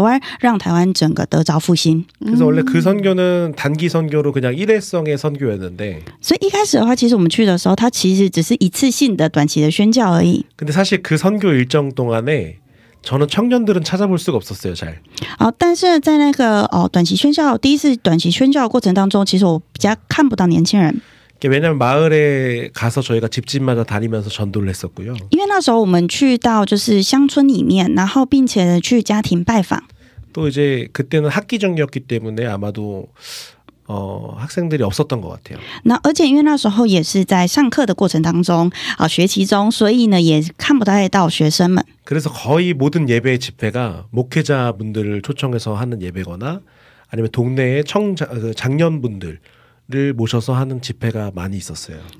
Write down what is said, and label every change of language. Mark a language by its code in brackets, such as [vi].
[zh] 나神也透过这样的机会给我一个期待感神要怎么样透过这些原住民们让他们来翻转整个台湾让台湾整个得着复兴 [ko] 그래서 원래 그 선교는 단기 선교로 그냥 일회성의 선교였는데 [zh] 所以一开始的话其实我们去的时候它其实只是一次性的短期的宣教而已 [ko] 근데 사실 그 선교 일정 동안에 저는 청년들은 찾아볼 수가 없었어요, 잘. [zh] 但是在那个短期宣教第一次短期宣教过程当中其实我比较看不到年轻人 [ko] 왜냐하면 마을에 가서 저희가 집집마다 다니면서 전도를 했었고요. [zh] 因为那时候我们去到就是乡村里面，然后并且去家庭拜访。 [ko] 또 이제 그때는 학기 중이었기 때문에 아마도 학생들이 없었던 것 같아요. [zh] 那而且因为那时候也是在上课的过程当中，学期中，所以呢也看不太到学生们。 [ko] 그래서 거의 모든 예배 집회가 목회자분들을 초청해서 하는 예배거나 아니면 동네의 장년분들. 를 모셔서 하는 집회가 많이 있었어요.